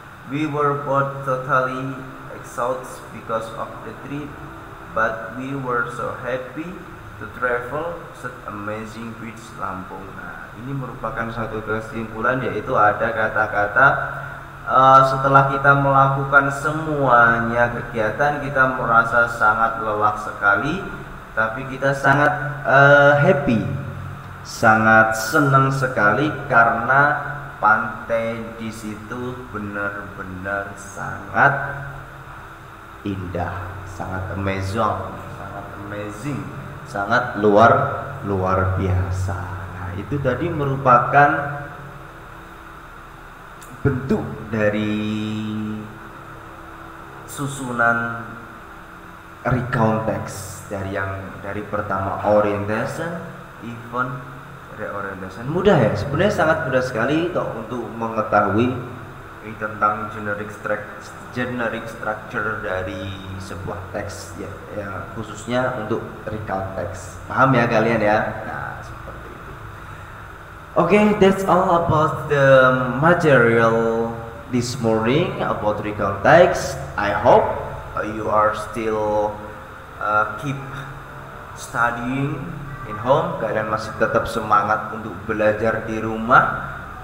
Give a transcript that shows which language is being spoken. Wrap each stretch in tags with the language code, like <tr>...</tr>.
<en>We were both totally exhausted because of the trip, but we were so happy to travel such amazing beach Lampung.</en> <id>Nah, ini merupakan satu kesimpulan, yaitu ada kata-kata setelah kita melakukan semuanya kegiatan, kita merasa sangat lelah sekali, tapi kita sangat happy, sangat senang sekali karena pantai di situ benar-benar sangat indah, sangat amazing. Sangat luar biasa. Nah, itu tadi merupakan bentuk dari susunan recount text dari yang dari pertama orientation, event, reorientation. Mudah ya, sebenarnya sangat mudah sekali toh untuk mengetahui tentang generic structure dari sebuah teks ya, khususnya untuk recount teks. Paham ya kalian ya? Nah, seperti itu.</id> <en>Okay, that's all about the material this morning about recount teks. I hope you are still keep studying in home.</en> <id>Kalian masih tetap semangat untuk belajar di rumah.</id>